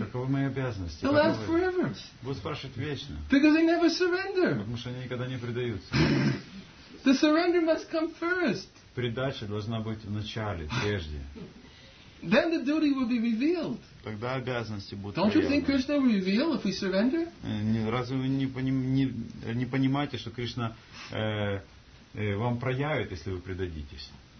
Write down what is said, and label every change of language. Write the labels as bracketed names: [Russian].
[Russian] Каковы мои обязанности? [English] They'll ask forever. [Russian] Будут спрашивать вечно. [English] Because they never surrender. [Russian] Потому что они никогда не предаются. [English] The surrender must come first. [Russian] Предача должна быть в начале, прежде. [English] Then the duty will be revealed. [Russian] Тогда обязанности будут. [English] Don't you think Krishna will reveal if we surrender? [Russian] Разве вы не понимаете, что Кришна вам проявит, если вы предадитесь?